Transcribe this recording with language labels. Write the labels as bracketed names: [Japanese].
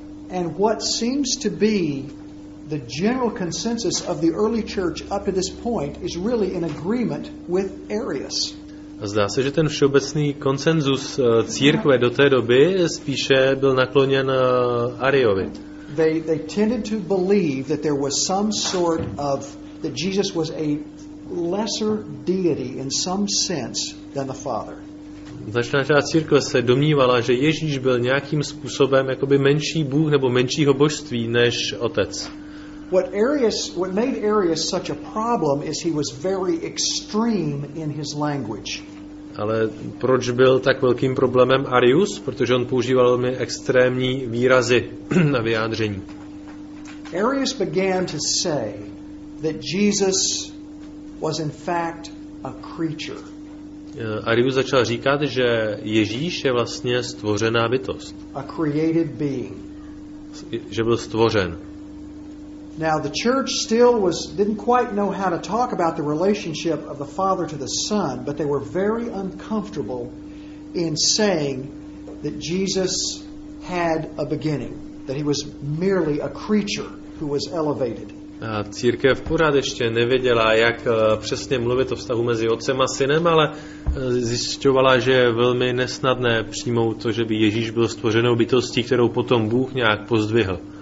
[English] And what seems to be the general consensus of the early church up to this point is really in agreement with Arius. [Czech] Zdá se, že ten všeobecný konsenzus církve do té doby spíše byl nakloněn Ariovi. [English] They tended to believe that there was some sort of that Jesus was a lesser deity in some sense than the Father. [Czech] Značná část církve se domnívala, že Ježíš byl nějakým způsobem jakoby menší bůh nebo menšího božství než Otec. [English] What made Arius such a problem is he was very extreme in his language. [Czech] Ale proč byl tak velkým problémem Arius? Protože on používal velmi extrémní výrazy na vyjádření. [English] Arius began to say that Jesus was in fact a creature. [Czech] Arius začal říkat, že Ježíš je vlastně stvořená bytost. [English] A created being. [Czech] Že byl stvořen. [English] Now the church still didn't quite know how to talk about the relationship of the Father to the Son, but they were very uncomfortable in saying that Jesus had a beginning, that he was merely a creature who was elevated. [Czech] Církev pořád ještě nevěděla, jak přesně mluvit o vztahu mezi otcem a synem, ale zjišťovala, že je velmi nesnadné přijmout to, že by Ježíš byl stvořenou bytostí, kterou potom Bůh nějak pozdvihl.